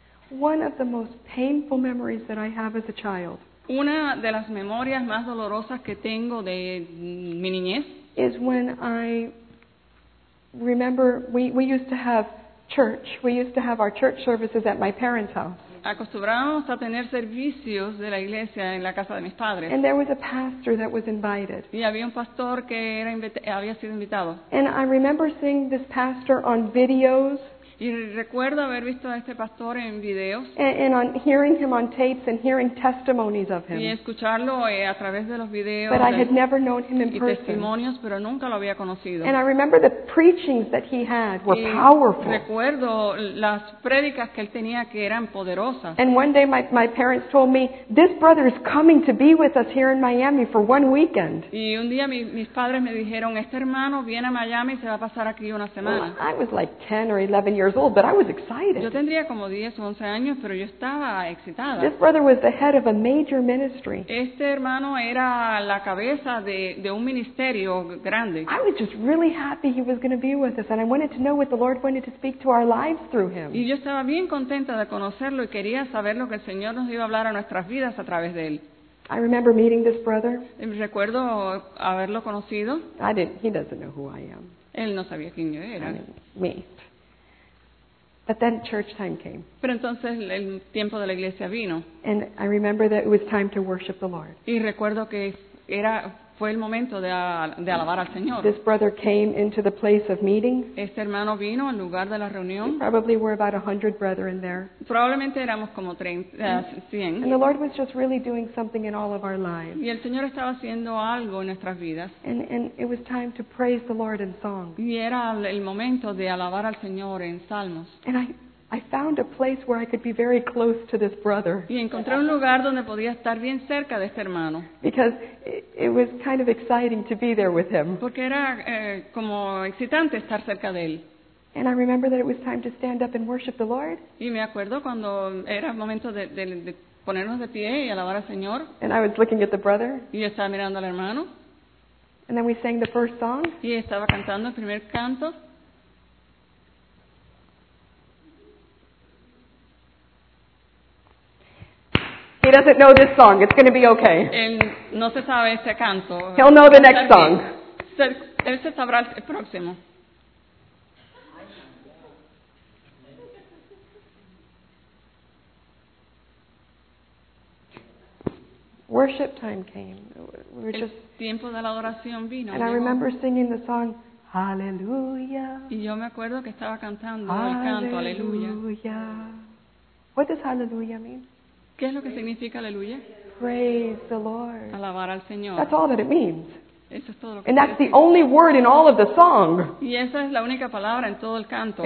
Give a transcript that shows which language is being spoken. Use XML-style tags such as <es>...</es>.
<en>One of the most painful memories that I have as a child,</en> <es>una de las memorias más dolorosas que tengo de mi niñez,</es> <en>is when I remember we used to have church. We used to have our church services at my parents' house.</en> <es>Acostumbramos a tener servicios de la iglesia en la casa de mis padres.</es> <en>And there was a pastor that was invited.</en> <es>Y había un pastor que era había sido invitado.</es> <en>And I remember seeing this pastor on videos.</en> <es>Y recuerdo haber visto a este pastor en videos.</es> <en>And on hearing him on tapes and hearing testimonies of him.</en> <es>Y escucharlo a través de los videos.</es> <en>But I had never known him in person.</en> <es>Y testimonios, pero nunca lo había conocido.</es> <en>And I remember the preachings that he had were</en> <es>y</es> <en>powerful.</en> <es>Recuerdo las prédicas que él tenía que eran poderosas.</es> <en>And one day my parents told me, this brother is coming to be with us here in Miami for one weekend.</en> <es>Y un día mis padres me dijeron, este hermano viene a Miami y se va a pasar aquí una semana.</es> <en>Well, I was like 10 or 11 years old, but I was excited.</en> <es>Yo tendría como 10 o 11 años, pero yo estaba excitada.</es> <en>This brother was the head of a major ministry.</en> <es>Este hermano era la cabeza de un ministerio grande.</es> <en>I was just really happy he was going to be with us, and I wanted to know what the Lord wanted to speak to our lives through him.</en> <es>Y yo estaba bien contenta de conocerlo y quería saber lo que el Señor nos iba a hablar a nuestras vidas a través de él.</es> <en>I remember meeting this brother.</en> <es>Recuerdo haberlo conocido.</es> <en>I didn't. He doesn't know who I am.</en> <es>Él no sabía quién yo era.</es> <en>Me. But then church time came.</en> <es>Pero entonces el tiempo de la iglesia vino.</es> <en>And I remember that it was time to worship the Lord.</en> <es>Y recuerdo que fue el momento de alabar al Señor.</es> <en>This brother came into the place of meeting.</en> <es>Este hermano vino al lugar de la reunión.</es> <en>There probably were about 100 brethren there.</en> <es>Probablemente éramos como 100.</es> <en>And the Lord was just really doing something in all of our lives.</en> <es>Y el Señor estaba haciendo algo en nuestras vidas.</es> <en>And it was time to praise the Lord in song.</en> <es>Y era el momento de alabar al Señor en salmos.</es> <en>And I found a place where I could be very close to this brother.</en> <es>Y encontré un lugar donde podía estar bien cerca de este hermano.</es> <en>Because it was kind of exciting to be there with him.</en> <es>Porque era como excitante estar cerca de él.</es> <en>And I remember that it was time to stand up and worship the Lord.</en> <es>Y me acuerdo cuando era momento de ponernos de pie y alabar al Señor.</es> <en>And I was looking at the brother.</en> <es>Y estaba mirando al hermano.</es> <en>And then we sang the first song.</en> <es>Y estaba cantando el primer canto.</es> <en>He doesn't know this song. It's going to be okay.</en> <es>Él no se sabe este canto.</es> <en>He'll know the next song.</en> <es>Él se sabrá el próximo.</es> <en>Worship time came. We were</en> <es>el</es> <en>just,</en> <es>tiempo de la adoración vino.</es> <en>And</en> <es>vino.</es> <en>I remember singing the song, Aleluya.</en> <es>Y yo me acuerdo que estaba cantando el canto, Aleluya.</es> <en>What does Aleluya mean?</en> <es>¿Qué es lo que significa aleluya?</es> <en>Praise the Lord.</en> <es>Alabar al Señor.</es> <en>That's all that it means.</en> <es>Eso es todo lo que</es> <en>and that's the only word in all of the song.</en> <es>Y esa es la única palabra en todo el canto.</es>